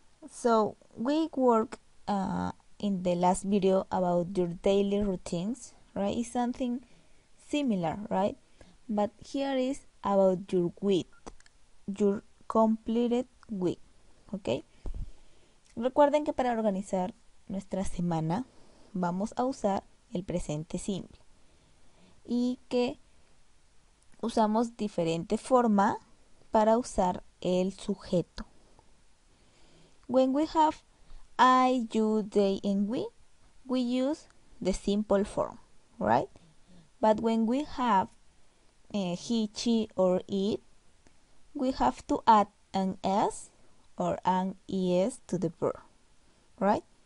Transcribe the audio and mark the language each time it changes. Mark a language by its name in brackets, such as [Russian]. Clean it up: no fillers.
[English] So, we work in the last video about your daily routines, right? It's something similar, right? But here is about your week, your completed week, ¿ok? [Spanish] Recuerden que para organizar nuestra semana vamos a usar el presente simple y que usamos diferente forma para usar el sujeto. [English] When we have I, you, they, and we use the simple form, right? But when we have he, she, or it, we have to add an S or an ES to the verb, right?